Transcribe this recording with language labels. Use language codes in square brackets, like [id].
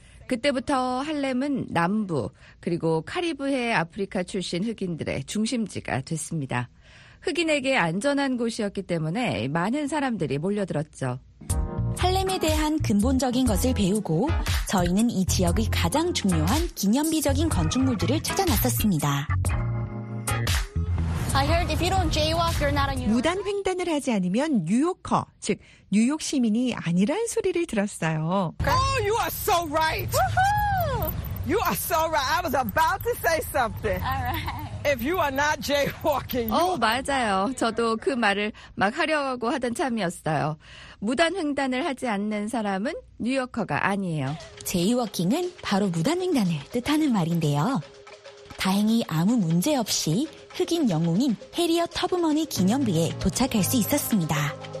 [ko] 그때부터 할렘은 남부 그리고 카리브해 아프리카 출신 흑인들의 중심지가 됐습니다. 흑인에게 안전한 곳이었기 때문에 많은 사람들이 몰려들었죠. 할렘에 대한 근본적인 것을 배우고 저희는 이 지역의 가장 중요한 기념비적인 건축물들을 찾아놨었습니다. [en] I heard if you don't jaywalk, you're not a New York. [ko] 무단 횡단을 하지 않으면 뉴요커, 즉 뉴욕 시민이 아니란 소리를 들었어요. [en] Oh, you are so right. You are so right. I was about to say something. All right. If you are not jaywalking, you. [ko] 맞아요. 저도 그 말을 막 하려고 하던 참이었어요. 무단 횡단을 하지 않는 사람은 뉴요커가 아니에요. Jaywalking은 바로 무단 횡단을 뜻하는 말인데요. 다행히 아무 문제 없이 흑인 영웅인 해리엇 터브먼의 기념비에 도착할 수 있었습니다.